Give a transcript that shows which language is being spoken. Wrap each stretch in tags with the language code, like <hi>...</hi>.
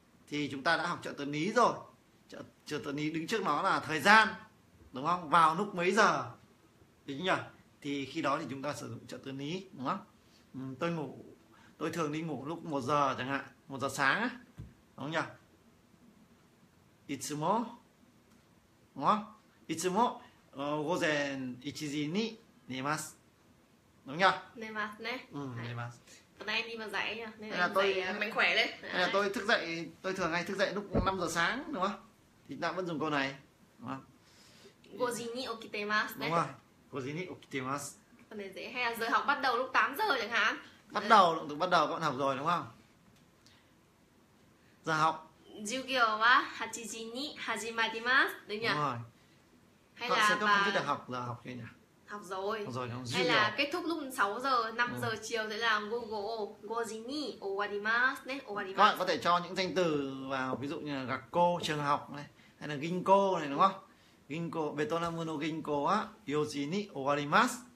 <vi>Thì chúng ta đã học chợ từ ní rồi. Chợ từ ní đứng trước nó là thời gian, đúng không? Vào lúc mấy giờ? Đúng nhỉ? Thì khi đó thì chúng ta sử dụng chợ từ ní, đúng không? Tôi thường đi ngủ lúc 1 giờ chẳng hạn, 1 giờ sáng á, đúng không nhỉ?</vi> <ja>いつも</ja> <vi>đúng không?</vi> <ja>いつも午前 1 giờ に寝ます.</ja> <vi>Đúng không nhỉ?</vi> <ja>寝 ます ね. Ừ, 寝 ます.</ja> <vi>Hôm nay em đi mà dậy nhỉ, nên là tôi mạnh khỏe lên. Hay là tôi thức dậy, tôi thường hay thức dậy lúc 5 giờ sáng, đúng không? Thì chúng ta vẫn dùng câu này, đúng không?</vi> <ja>5 giờ に起きてます.</ja> <vi>Đúng không? 5 giờ</vi> <ja>に起きてます.</ja> <vi>Hay là giờ học bắt đầu lúc 8 giờ chẳng hạn. Bắt đầu, động từ bắt đầu các bạn học rồi đúng không? Giờ học</vi> <ja>授業は8時に始まります.</ja> <vi>Đúng nhỉ? Đúng rồi. Hay là không biết được học, giờ học kia nhỉ? Học rồi. Học rồi, không? Hay là kết thúc lúc 6 giờ, 5 giờ chiều sẽ là</vi> <ja>5 時に終わります.</ja> <vi>Các bạn có thể cho những danh từ vào, ví dụ như là gặp cô, trường học này, hay là ginko này đúng không?</vi> <ja>Ginko, Vietnam の ginko は4時に終わります.</ja>